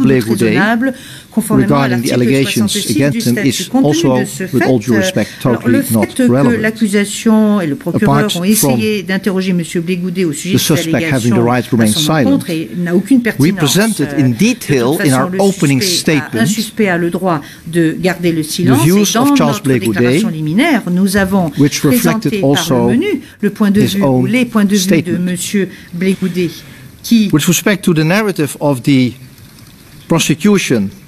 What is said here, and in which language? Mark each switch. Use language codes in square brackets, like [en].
[en] Blair Goudé regarding the allegations against him is also, with all due respect, totally not relevant. Apart from the suspect having the right to remain silent, we presented in detail in our opening statement the views of Charles Blair Goudé, [fr] nous avons présenté par le menu le point de vue ou les points de vue de M. Blair Goudé, qui, [en] with respect to the narrative of the prosecution,